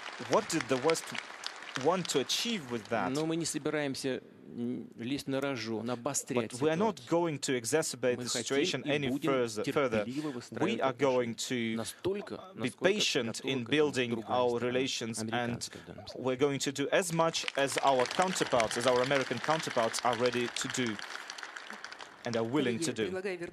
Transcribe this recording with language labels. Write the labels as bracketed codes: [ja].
[en] What did the West want to achieve with that? [ru] Но мы не собираемся лезть на рожон, обострять. [en] But we are not going to exacerbate the situation any further. We are going to be patient in building our relations, and we're going to do as much as our counterparts, as our American counterparts, are ready to do and are willing to do.